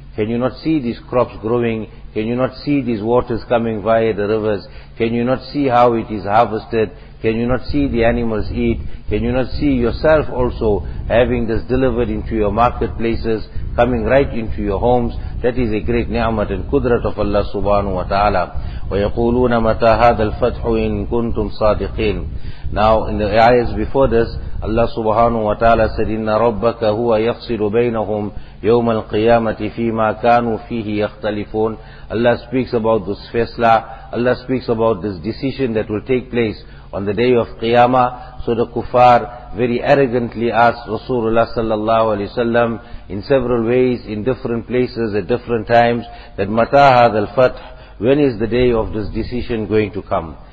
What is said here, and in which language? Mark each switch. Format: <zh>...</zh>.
<en>Can you not see these crops growing? Can you not see these waters coming via the rivers? Can you not see how it is harvested? Can you not see the animals eat? Can you not see yourself also having this delivered into your marketplaces, coming right into your homes? That is a great ni'mat and kudrat of Allah subhanahu wa ta'ala.</en> <ar>وَيَقُولُونَ مَتَى هَذَا الْفَتْحُ إِن كُنْتُمْ صَادِقِينَ</ar> <en>Now in the ayahs before this, Allah subhanahu wa ta'ala said,</en> <ar>إِنَّ رَبَّكَ هُوَ يَفْصِلُ بَيْنَهُمْ يَوْمَ الْقِيَامَةِ فِي مَا كَانُوا فِيهِ يَخْتَلِفُونَ</ar> <en>Allah speaks about this faisla. Allah speaks about this decision that will take place on the day of Qiyamah. So the kuffar very arrogantly asked Rasulullah sallallahu alayhi wa sallam in several ways, in different places, at different times, that</en> <ar>مَتَى هَذَا الْفَتْحُ</ar> <en>When is the day of this decision going to come?</en>